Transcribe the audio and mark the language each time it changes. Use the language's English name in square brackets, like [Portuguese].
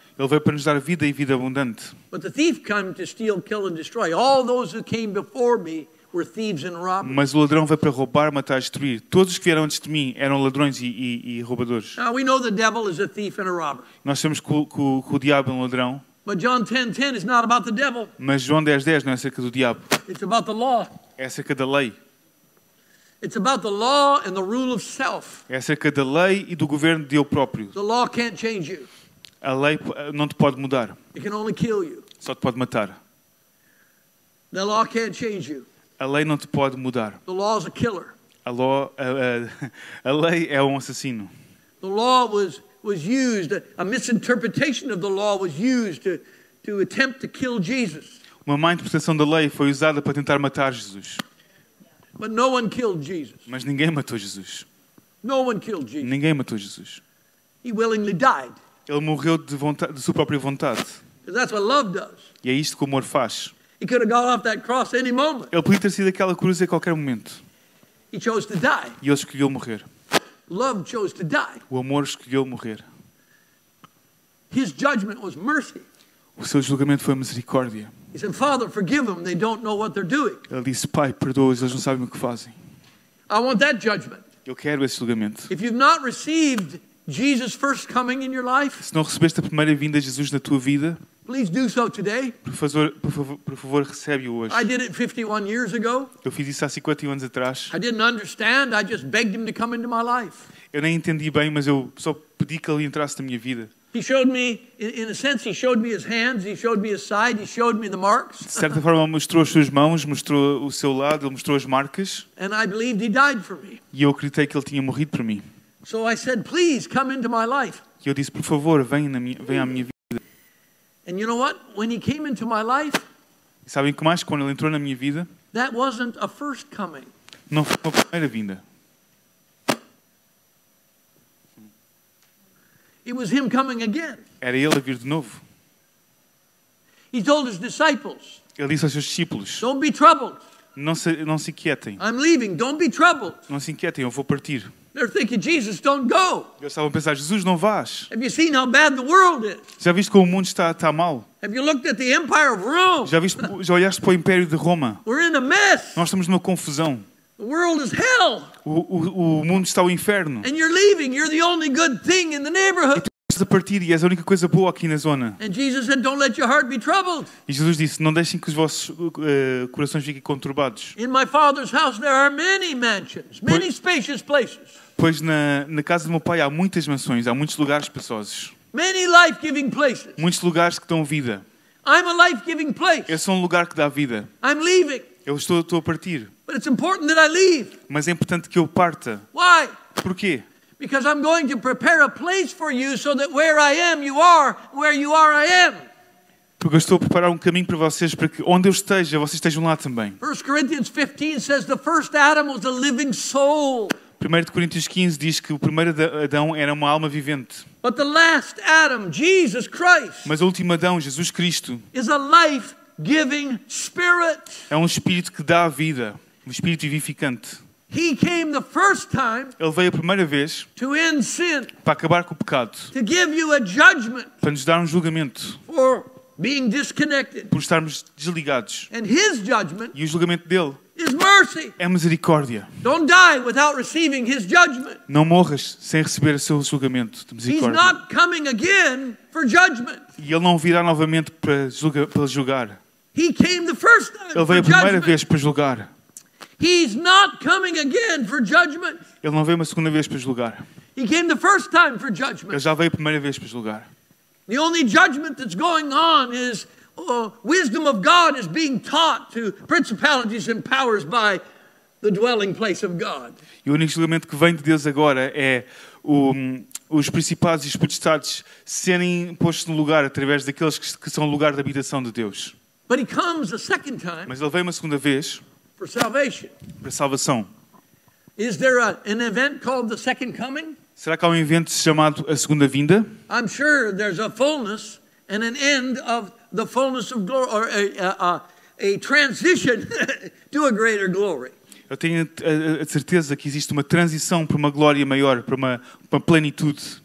[Portuguese] Ele veio para nos dar vida e vida abundante. [English] But the thief came to steal, kill and destroy. All those who came before me were thieves and robbers. [Portuguese] Mas o ladrão veio para roubar, matar e destruir. Todos os que vieram antes de mim eram ladrões e roubadores. [English] Now we know the devil is a thief and a robber. [Portuguese] Nós sabemos que o diabo é um ladrão. [English] But John 10:10 is not about the devil. [Portuguese] Mas João 10:10 não é acerca do diabo. [English] It's about the law. [Portuguese] É acerca da lei. [English] It's about the law and the rule of self. [Portuguese] É acerca da lei e do governo de eu próprio. [English] The law can't change you. [Portuguese] A lei não te pode mudar. [English] It can only kill you. [Portuguese] Só te pode matar. [English] The law can't change you. [Portuguese] A lei não te pode mudar. [English] The law is a killer. [Portuguese] A lei é um assassino. [English] The law was used, a misinterpretation of the law was used to attempt to kill Jesus. [Portuguese] Uma má interpretação da lei foi usada para tentar matar Jesus. [English] But no one killed Jesus. [Portuguese] Mas ninguém matou Jesus. [English] No one killed Jesus. [Portuguese] Ninguém matou Jesus. [English] He willingly died. [Portuguese] Ele morreu de sua própria vontade. [English] Because that's what love does. [Portuguese] E é isto que o amor faz. [English] He could have got off that cross any moment. [Portuguese] Ele podia ter sido daquela cruz a qualquer momento. [English] He chose to die. [Portuguese] E ele escolheu morrer. [English] Love chose to die. [Portuguese] O amor escolheu morrer. [English] His judgment was mercy. [Portuguese] O seu julgamento foi misericórdia. [English] He said, Father, forgive them. They don't know what they're doing. [Portuguese] Ele disse, Pai, perdoa-os, eles não sabem o que fazem. [English] I want that judgment. [Portuguese] Eu quero esse julgamento. [English] If you've not received Jesus' first coming in your life, [Portuguese] se não recebeste a primeira vinda de Jesus na tua vida, [English] please do so today. [Portuguese] Por favor, recebe-o hoje. [English] I did it 51 years ago. [Portuguese] Eu fiz isso há 51 anos atrás. [English] I didn't understand. I just begged him to come into my life. [Portuguese] Eu nem entendi bem, mas eu só pedi que ele entrasse na minha vida. [English] He showed me, in a sense, he showed me his hands, he showed me his side, he showed me the marks. [Portuguese] De certa forma, mostrou as suas mãos, mostrou o seu lado, ele mostrou as marcas. [English] And I believed he died for me. [Portuguese] E eu acreditei que ele tinha morrido por mim. [English] So I said, please come into my life. [Portuguese] E eu disse, por favor, venha à minha vida. [English] And you know what? When he came into my life, [Portuguese] e sabem que mais? Quando ele entrou na minha vida, [English] that wasn't a first coming. [Portuguese] Não foi uma primeira vinda. [English] It was him coming again. [Portuguese] Era ele a vir de novo. [English] He told his disciples. [Portuguese] Ele disse aos seus discípulos. [English] Don't be troubled. [Portuguese] Não se inquietem. [English] I'm leaving. Don't be troubled. [Portuguese] Não se inquietem. Eu vou partir. [English] They're thinking, Jesus, don't go. [Portuguese] Eles estavam a pensar, Jesus, não vás. [English] Have you seen how bad the world is? [Portuguese] Já viste como o mundo está mal? [English] Have you looked at the Empire of Rome? [Portuguese] Já olhaste para o Império de Roma? [English] We're in a mess. [Portuguese] Nós estamos numa confusão. [English] The world is hell. [Portuguese] O mundo está ao inferno. [English] And you're leaving. You're the only good thing in the neighborhood. [Portuguese] E tu estás a partir e és a única coisa boa aqui na zona. [English] And Jesus said, "Don't let your heart be troubled." [Portuguese] E Jesus disse, não deixem que os vossos corações fiquem conturbados. [English] In my Father's house there are many mansions, many spacious places. [Portuguese] Pois na casa do meu pai há muitas mansões, há muitos lugares espaçosos. [English] Many life-giving places. [Portuguese] Muitos lugares que dão vida. [English] I'm a life-giving place. [Portuguese] Eu sou um lugar que dá vida. [English] I'm leaving. [Portuguese] Eu estou a partir. [English] But it's important that I leave. [Portuguese] Mas é importante que eu parta. [English] Why? [Portuguese] Porquê? [English] Because I'm going to prepare a place for you so that where I am, you are, where you are, I am. [Portuguese] Porque eu estou a preparar um caminho para vocês para que onde eu esteja, vocês estejam lá também. [English] 1 Corinthians 15 says the first Adam was a living soul. [Portuguese] 1 Coríntios 15 diz que o primeiro Adão era uma alma vivente. [English] But the last Adam, Jesus Christ. [Portuguese] Mas o último Adão, Jesus Cristo, [English] is a life giving spirit. [Portuguese] É um espírito que dá a vida, um espírito vivificante. [English] He came the first time. [Portuguese] Ele veio a primeira vez. [English] To end sin. [Portuguese] Para acabar com o pecado. [English] To give you a judgment. [Portuguese] Para nos dar um julgamento. [English] For being disconnected. [Portuguese] Por estarmos desligados. [English] And his judgment. [Portuguese] E o julgamento dele. [English] Is mercy. [Portuguese] É misericórdia. [English] Don't die without receiving his judgment. [Portuguese] Não morras sem receber o seu julgamento de misericórdia. [English] He's not coming again for judgment. [Portuguese] E ele não virá novamente para julgar. [English] He came the first time. [Portuguese] Ele veio a primeira vez para julgar. [English] He's not coming again for judgment. [Portuguese] Ele não veio uma segunda vez para julgar. [English] He came the first time for judgment. [Portuguese] Ele já veio a primeira vez para julgar. [English] The only judgment that's going on is wisdom of God is being taught to principalities and powers by the dwelling place of God. [Portuguese] E o único julgamento que vem de Deus agora é os principados e os potestades serem postos no lugar através daqueles que são o lugar da habitação de Deus. [English] But he comes a second time. [Portuguese] Mas ele veio uma segunda vez. [English] For salvation. [Portuguese] Para salvação. [English] Is there an event called the second coming? [Portuguese] Será que há evento chamado a segunda vinda? [English] I'm sure there's a fullness and an end of the fullness of glory, or a transition to a greater glory. [Portuguese] Eu tenho a certeza que existe uma transição para uma glória maior, para uma plenitude.